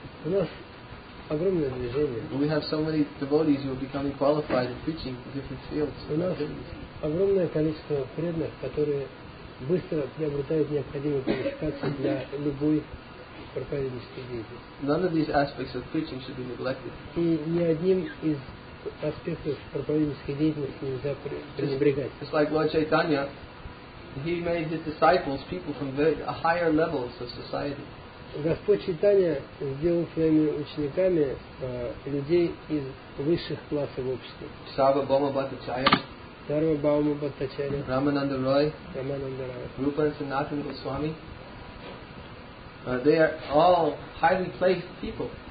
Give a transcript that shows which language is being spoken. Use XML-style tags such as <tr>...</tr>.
<ru>У нас огромное движение.</ru> <en>We have so many devotees who are becoming qualified in preaching in different fields.</en> <ru>У нас огромное количество преданных, которые быстро приобретают необходимую квалификацию для любой проповеднической деятельности.</ru> <en>None of these aspects of preaching should be neglected.</en> <ru>И ни одним из аспектов проповеднической деятельности нельзя пренебрегать.</ru> <en>It's like Lord Chaitanya, he made his disciples people from very higher levels of society.</en> <ru>Господь Чайтанья сделал своими учениками людей из высших классов общества. Сарва Бхаума Бхаттачарья. Дарва Баума Бхаттачарья, Рамананда Рой, Рамананда Рой,</ru> <en>Рупа Санатан Госвами, they are all highly placed people.</en>